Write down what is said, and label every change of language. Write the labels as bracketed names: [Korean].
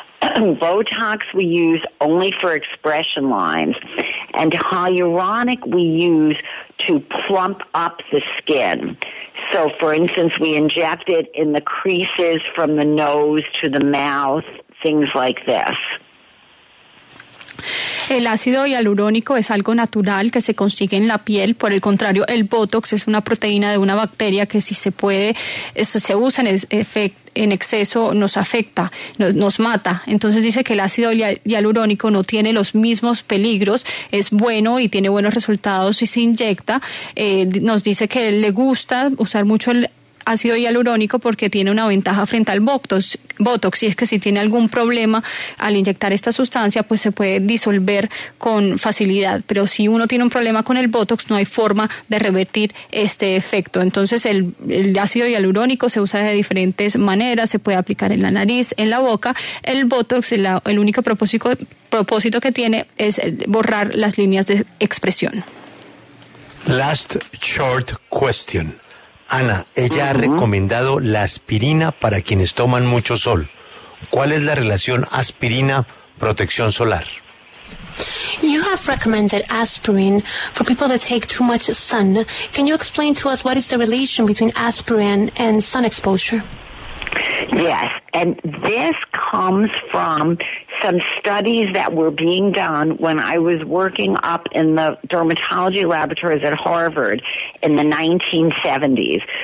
[English] Botox we use only for expression lines, and hyaluronic we use to plump up the skin. So for instance, we inject it in the creases from the nose to the mouth, things like this. [Spanish] El ácido hialurónico es algo natural que se consigue en la piel. Por el contrario, el Botox es una proteína de una bacteria que si se puede, se usa en exceso, nos afecta, nos mata. Entonces dice que el ácido hialurónico no tiene los mismos peligros, es bueno y tiene buenos resultados si se inyecta. Nos dice que le gusta usar mucho el ácido hialurónico porque tiene una ventaja frente al Botox, y es que si tiene algún problema al inyectar esta sustancia, pues se puede disolver con facilidad. Pero si uno tiene un problema con el Botox, no hay forma de revertir este efecto. Entonces el ácido hialurónico se usa de diferentes maneras, se puede aplicar en la nariz, en la boca. El Botox, el único propósito que tiene es borrar las líneas de expresión. [English] Last short question. [Spanish] Ana, ella ha recomendado la aspirina para quienes toman mucho sol. ¿Cuál es la relación aspirina-protección solar? [English] You have recommended aspirin for people that take too much sun. Can you explain to us what is the relation between aspirin and sun exposure? Yes, and this comes from some studies that were being done when I was working up in the dermatology laboratories at Harvard in the 1970s.